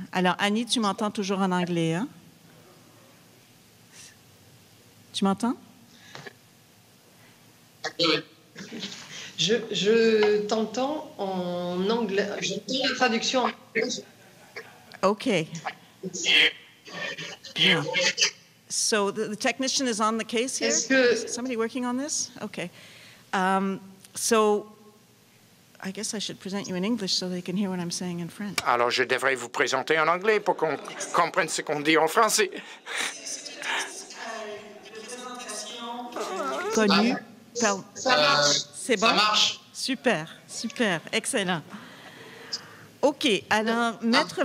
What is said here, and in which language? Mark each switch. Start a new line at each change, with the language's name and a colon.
French: Alors, Annie, tu m'entends toujours en anglais, hein? Tu m'entends? Je t'entends en anglais. J'entends la traduction en anglais. OK. Bien.
English: So the technician is on the case here.
French: Est-ce que...
English: Somebody working on this? Okay. So I guess I should present you in English so they can hear what I'm saying in French.
French: Alors je devrais vous présenter en anglais pour qu'on comprenne ce qu'on dit en français. Connu. Ça marche. Bon? Ça marche. Super. Super. Excellent. Okay. Alors, maître